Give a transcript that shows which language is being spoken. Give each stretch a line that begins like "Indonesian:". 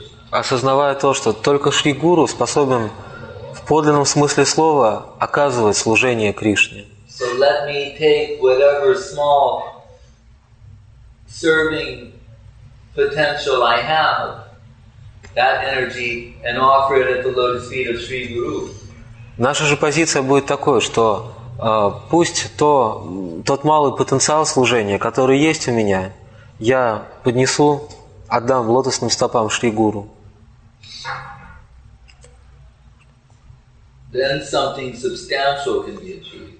Russian: Осознавая то, что только Шри Гуру способен в подлинном смысле слова оказывать служение Кришне.
English: So let me take whatever small serving potential I have, that energy, and offer it at the lotus feet of Sri Guru.
Russian: Наша же позиция будет такой, что пусть тот малый потенциал служения, который есть у меня, я поднесу, отдам в лотосным стопам Шри Гуру.
English: Then something substantial can be achieved.